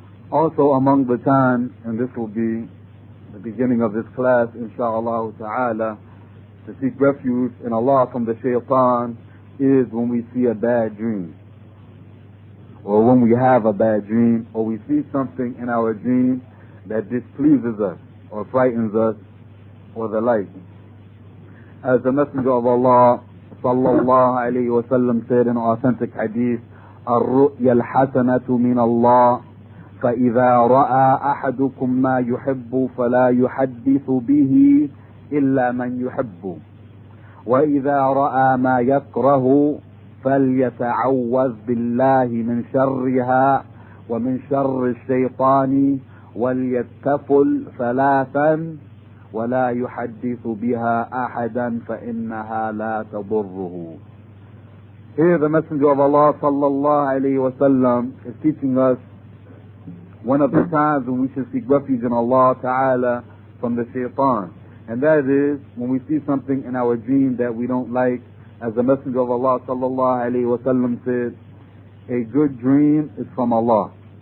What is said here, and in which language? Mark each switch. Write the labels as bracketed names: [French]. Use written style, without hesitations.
[English] Also among the times, and this will be the beginning of this class, insha'Allah ta'ala, to seek refuge in Allah from the shaitan is when we see a bad dream, or when we have a bad dream, or we see something in our dream that displeases us or frightens us or the like. As the Messenger of Allah sallallahu alayhi wa sallam said in authentic hadith, [Arabic] الرؤيَ الحسنةُ من الله فإذا رأى أحدكم ما يحب فلا يحدث به إلا من يحب وإذا رأى ما يكره فليتعوذ بالله من شرها ومن شر الشيطان وليتفل ثلاثا ولا يحدث بها أحدا فإنها لا تضره. [English] Here the Messenger of Allah sallallahu alayhi wa sallam is teaching us one of the times when we should seek refuge in Allah ta'ala from the shaitan, and that is when we see something in our dream that we don't like. As the Messenger of Allah sallallahu alayhi wa sallam said, a good dream is from Allah.